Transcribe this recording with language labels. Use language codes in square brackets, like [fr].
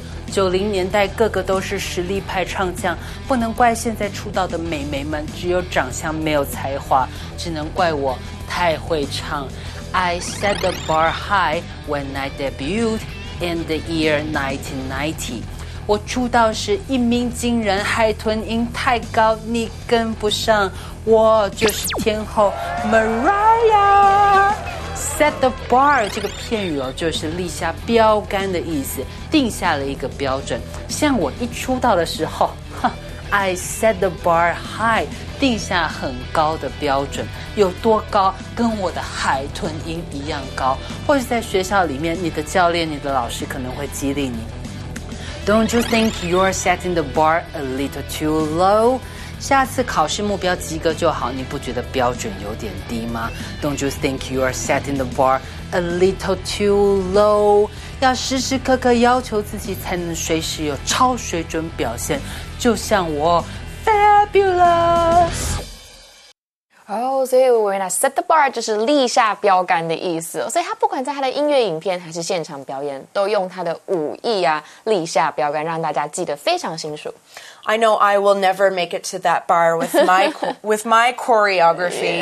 [zh] 九零年代个个都是实力派唱将，不能怪现在出道的美眉们只有长相没有才华，只能怪我太会唱。 [en] I set the bar high when I debuted in the year 1990. [zh] 我出道时一鸣惊人，海豚音太高你跟不上，我就是天后 Mariah。 Set the bar 这个片语就是立下标杆的意思，定下了一个标准。像我一出道的时候 [en] I set the bar high， [zh] 定下很高的标准，有多高跟我的海豚音一样高。或者在学校里面，你的教练你的老师可能会激励你， [en] Don't you think you're setting the bar a little too low？ [zh] 下次考试目标及格就好，你不觉得标准有点低吗？ [en] Don't you think you are setting the bar a little too low？ [zh] 要时时刻刻要求自己才能随时有超水准表现，就像我 Fabulous。哦，所以我原来 set the bar 就是立下标杆的意思，所以他不管在他的音乐影片还是现场表演都用他的武艺啊立下标杆，让大家记得非常清楚。 [en] I know I will never make it to that bar with my choreography.